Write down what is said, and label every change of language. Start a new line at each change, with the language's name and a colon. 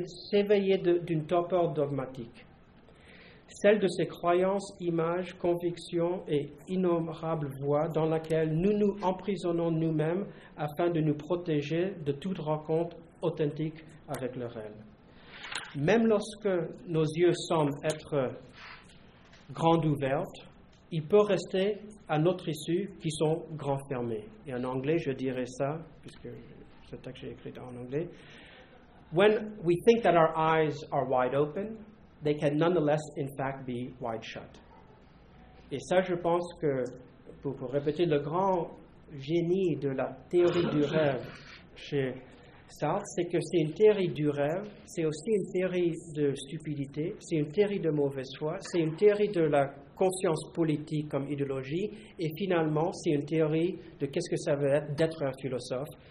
French: s'éveiller d'une torpeur dogmatique, celle de ses croyances, images, convictions et innombrables voies dans laquelle nous nous emprisonnons nous-mêmes afin de nous protéger de toute rencontre authentique avec le réel. Même lorsque nos yeux semblent être grands ouverts, il peut rester à notre issue qui sont grands fermés. Et en anglais, je dirais ça, puisque ce texte j'ai écrit en anglais.
English: When we think that our eyes are wide open, they can nonetheless, in fact, be wide shut.
French: Et ça, je pense que, pour répéter le grand génie de la théorie du rêve chez Sartre, c'est que c'est une théorie du rêve, c'est aussi une théorie de stupidité, c'est une théorie de mauvaise foi, c'est une théorie de la conscience politique comme idéologie, et finalement, c'est une théorie de qu'est-ce que ça veut être d'être un philosophe.